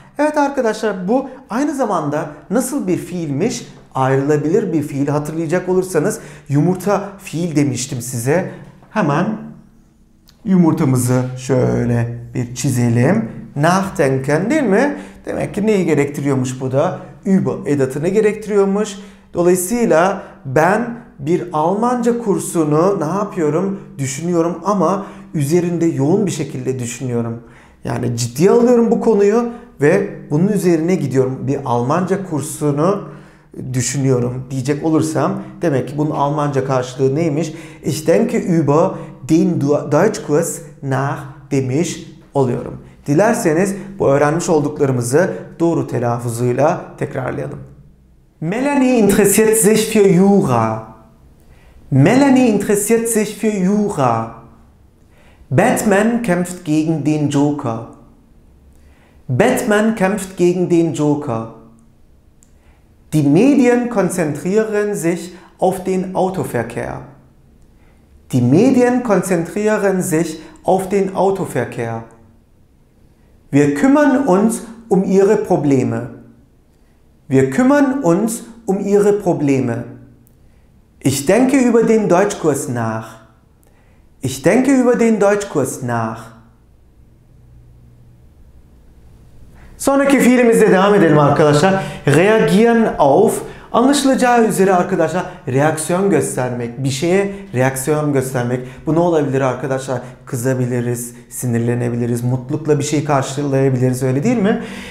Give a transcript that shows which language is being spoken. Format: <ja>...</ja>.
<tr>Evet arkadaşlar, bu aynı zamanda nasıl bir fiilmiş? Ayrılabilir bir fiil. Hatırlayacak olursanız yumurta fiil demiştim size. Hemen yumurtamızı şöyle bir çizelim. Nachdenken, değil mi? Demek ki neyi gerektiriyormuş bu da? Über edatını gerektiriyormuş. Dolayısıyla ben bir Almanca kursunu ne yapıyorum? Düşünüyorum ama üzerinde yoğun bir şekilde düşünüyorum. Yani ciddiye alıyorum bu konuyu ve bunun üzerine gidiyorum. Bir Almanca kursunu düşünüyorum diyecek olursam, demek ki bunun Almanca karşılığı neymiş?</tr> <de>Ich denke über den Deutschkurs nach</de> <tr>demiş oluyorum. Dilerseniz bu öğrenmiş olduklarımızı doğru telaffuzuyla tekrarlayalım.</tr> <de>Melanie interessiert sich für Jura. Melanie interessiert sich für Jura. Batman kämpft gegen den Joker. Batman kämpft gegen den Joker. Die Medien konzentrieren sich auf den Autoverkehr. Die Medien konzentrieren sich auf den Autoverkehr. Wir kümmern uns um ihre Probleme. Wir kümmern uns um ihre Probleme. Ich denke über den Deutschkurs nach. Ich denke über den Deutschkurs nach.</de> <tr>Sonraki fiilimizle devam edelim arkadaşlar. Reagieren auf, anlaşılacağı üzere arkadaşlar, reaksiyon göstermek, bir şeye reaksiyon göstermek. Bu ne olabilir arkadaşlar? Kızabiliriz, sinirlenebiliriz, mutlulukla bir şey karşılayabiliriz, öyle değil mi?</tr>